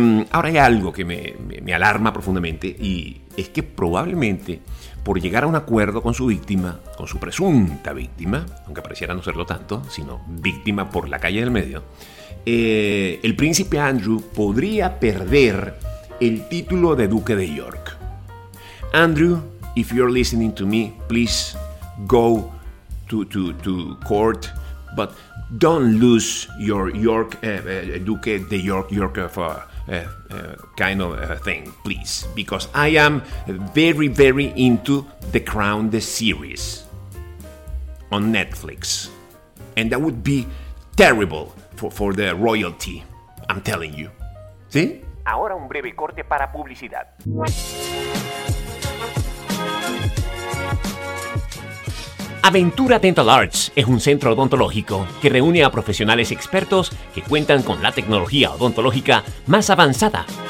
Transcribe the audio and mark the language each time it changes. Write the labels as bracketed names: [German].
[Spanish] Ahora hay algo que me alarma profundamente y es que probablemente por llegar a un acuerdo con su víctima, con su presunta víctima, aunque pareciera no serlo tanto, sino víctima por la calle del medio, el príncipe Andrew podría perder el título de duque de York. [English] Andrew, if you're listening to me, please go to court, but don't lose your York, Duque de York, York of kind of thing, please. Because I am very, very into The Crown, the series on Netflix. And that would be terrible for the royalty, I'm telling you. [Spanish] ¿Sí? Ahora un breve corte para publicidad. Aventura Dental Arts es un centro odontológico que reúne a profesionales expertos que cuentan con la tecnología odontológica más avanzada.